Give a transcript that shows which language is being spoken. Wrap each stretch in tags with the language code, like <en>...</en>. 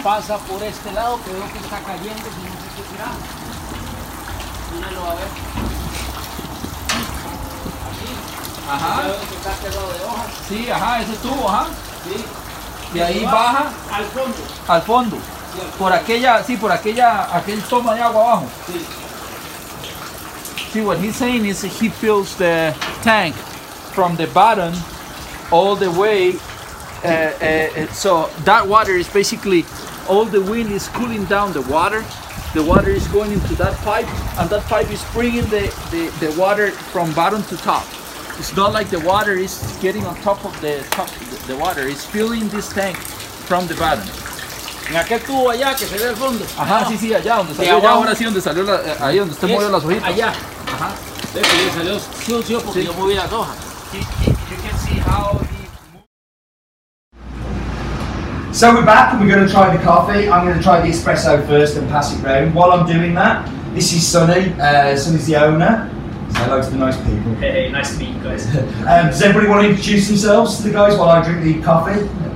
<es>Pasa por este lado, que veo que está cayendo, si no sé qué tirar. Míralo, a ver. Aquí. Ajá. Veo que está cerrado de hojas. Sí, ajá, ese tubo, ajá. Sí. Y ahí baja. Al fondo. Al fondo. Sí, por aquella, sí, por aquella, aquel toma de agua abajo. Sí.</es> <en>See, what he's saying is he fills the tank from the bottom all the way. So that water is basically, all the wind is cooling down the water. The water is going into that pipe, and that pipe is bringing the water from bottom to top. It's not like the water is getting on top of the water. It's filling this tank from the bottom.</en> <es>En aquel tubo allá que se ve al fondo. Ajá, no. sí, allá donde salió. Allá, ahora sí, donde salió la, ahí donde usted movió las hojitas. Allá. Ajá. Sí, salió sucio porque yo moví las hojas.</es> <en>You can see how. So we're back and we're going to try the coffee. I'm going to try the espresso first and pass it round. While I'm doing that, this is Sunny. Sunny's the owner. Say hello to the nice people. Hey, nice to meet you guys. Does everybody want to introduce themselves to the guys while I drink the coffee?</en>